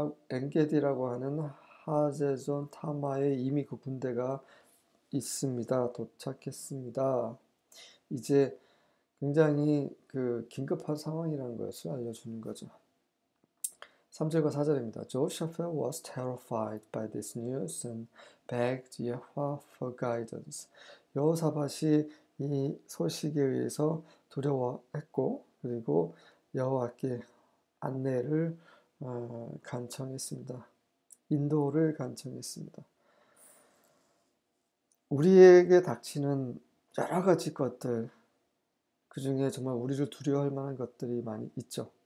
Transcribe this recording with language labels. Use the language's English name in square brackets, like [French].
[Korean] 엔게디라고 하는 하제존 타마에 이미 그 군대가 있습니다. 도착했습니다. 이제 굉장히 긴급한 상황이라는 것을 알려주는 거죠. 3절과 4절입니다. [English] Jehoshaphat was terrified by this news and begged Yahweh for guidance. [Korean] 여호사밧이 이 소식에 의해서 두려워했고, 그리고 여호와께 안내를 간청했습니다. 인도를 간청했습니다. 우리에게 닥치는 여러 가지 것들, 그 중에 정말 우리를 두려워할 만한 것들이 많이 있죠.